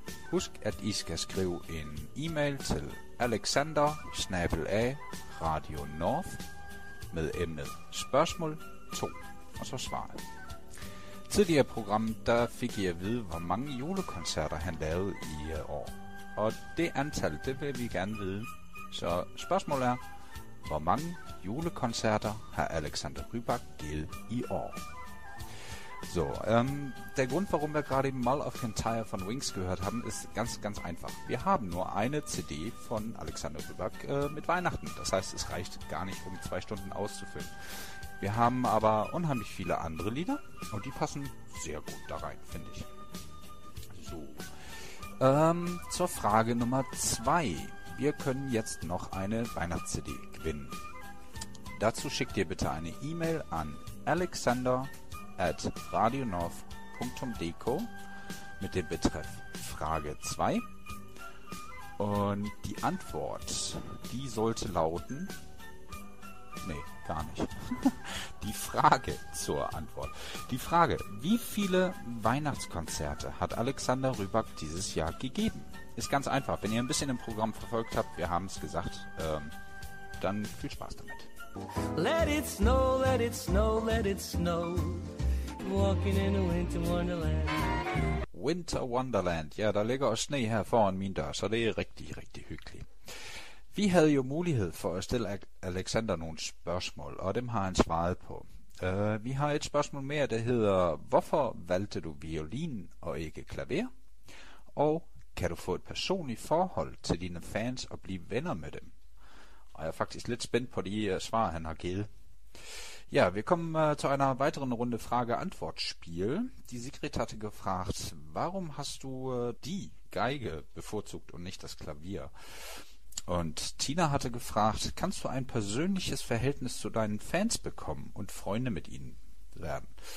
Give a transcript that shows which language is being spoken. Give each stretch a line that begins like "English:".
Danish: Husk, at I skal skrive en e-mail til alexander@radionorth med emnet spørgsmål 2 og så svaret. Tidligere program, der fik I at vide, hvor mange julekoncerter han lavede i år. Og det antal, det vil vi gerne vide. Så spørgsmålet er, hvor mange julekoncerter har Alexander Rybak givet i år?
German: So, der Grund, warum wir gerade Mull of Kintyre von Wings gehört haben, ist ganz, ganz einfach. Wir haben nur eine CD von Alexander Rybak mit Weihnachten. Das heißt, es reicht gar nicht, um 2 Stunden auszufüllen. Wir haben aber unheimlich viele andere Lieder und die passen sehr gut da rein, finde ich. So, zur Frage Nummer 2. Wir können jetzt noch eine Weihnachts-CD gewinnen. Dazu schickt ihr bitte eine E-Mail an alexander@radionorth.dk mit dem Betreff Frage 2 und die Antwort, die sollte lauten, nee, gar nicht, die Frage zur Antwort, die Frage, wie viele Weihnachtskonzerte hat Alexander Rybak dieses Jahr gegeben? Ist ganz einfach, wenn ihr ein bisschen im Programm verfolgt habt, wir haben es gesagt, dann viel Spaß damit.
English: Let it snow, let it snow, let it snow. Walking in a winter wonderland. Winter Wonderland.
Danish: Ja, der ligger også sne her foran min dør, så det er rigtig, rigtig hyggeligt. Vi havde jo mulighed for at stille Alexander nogle spørgsmål, og dem har han svaret på. Vi har et spørgsmål mere, der hedder, hvorfor valgte du violin og ikke klaver? Og kan du få et personligt forhold til dine fans og blive venner med dem? Og jeg er faktisk lidt spændt på de svar, han har givet.
German: Ja, wir kommen zu einer weiteren Runde Frage-Antwort-Spiel. Die Sigrid hatte gefragt, warum hast du die Geige bevorzugt und nicht das Klavier? Und Tina hatte gefragt, kannst du ein persönliches Verhältnis zu deinen Fans bekommen und Freunde mit ihnen werden?